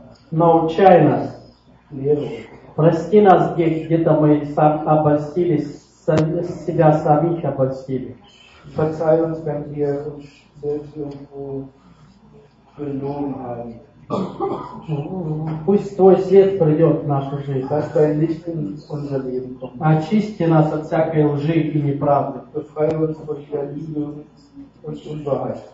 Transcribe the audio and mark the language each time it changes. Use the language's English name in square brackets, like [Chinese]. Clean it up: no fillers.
[Russian] Научай нас. Прости нас, где-то мы обольстились, себя самих обольстили. [German] Verzeih uns, wenn wir selbst irgendwo belogen haben. [Russian] Пусть твой свет придет в нашу жизнь. [German] Dass dein Licht in unser Leben kommt. [Russian] Очисти нас от всякой лжи и неправды. [German] Befreie uns von der Lüge und Unwahrheit.